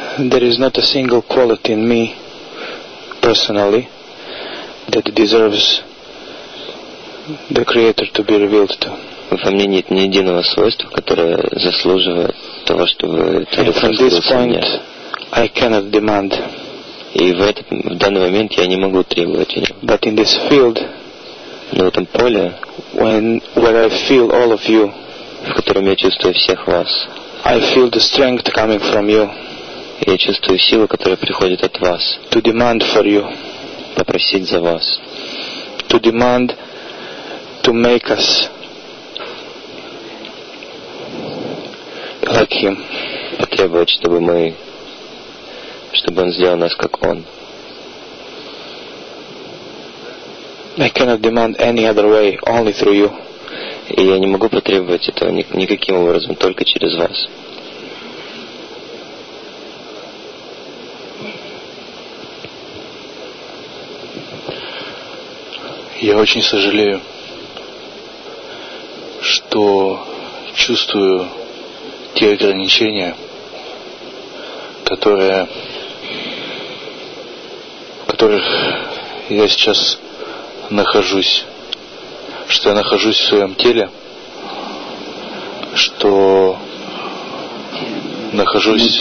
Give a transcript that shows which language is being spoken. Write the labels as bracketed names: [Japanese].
[English] there is not a single quality in me personally that deserves the Creator to be revealed to. [Russian] Во мне нет ни единого свойства, которое заслуживает того, чтобы раскрылся. И в данный момент я не могу требовать от него. [English] But in this field, [Russian] на этом поле, [English] where I feel all of you, [Russian] в котором я чувствую всех вас, [English] I feel the strength coming from you, [Russian] я чувствую силу, которая приходит от вас, [English] to demand for you, [Russian] попросить за вас, [English] to demand to make us like him, [Russian] потребовать, чтобы мы, чтобы он сделал нас как он. [English] I cannot demand any other way, only through you. [Russian] И я не могу потребовать этого никаким образом, только через вас. Я очень сожалею, что чувствую те ограничения, в которых я сейчас нахожусь, что я нахожусь в своем теле, что нахожусь.